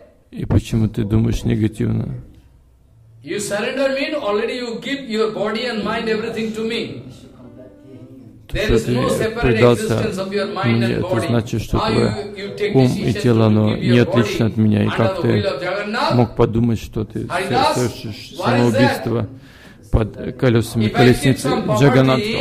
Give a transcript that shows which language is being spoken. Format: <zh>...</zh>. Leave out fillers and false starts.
<ru>И почему ты думаешь негативно?</ru> <en>You surrender mean already you give your body and mind everything to me.</en> <ru>Что ты предался мне, это значит, что твое ум и тело, оно не отлично от меня. И как ты мог подумать, что ты совершишь самоубийство под колесами колесницы Джаганатха?</ru>